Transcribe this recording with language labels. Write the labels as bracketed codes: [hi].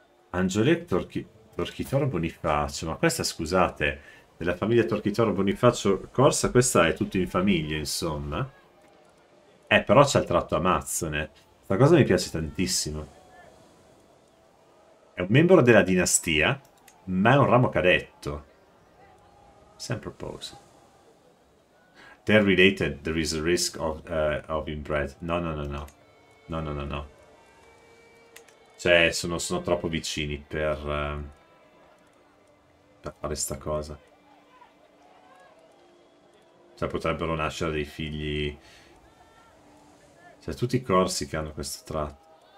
[it] Angioletto Torchitoro Bonifacio. Ma questa, scusate, della famiglia Torchitoro Bonifacio Corsa, questa è tutto in famiglia, insomma. Però c'è il tratto amazzone. Questa cosa mi piace tantissimo. È un membro della dinastia, ma è un ramo cadetto. Sempre posto. [en] They're related, there is a risk of inbred. [it] No, no, no, no. No, no, no, no. Cioè, sono troppo vicini per fare sta cosa. Cioè, potrebbero nascere dei figli. Cioè, tutti i corsi che hanno questo tratto.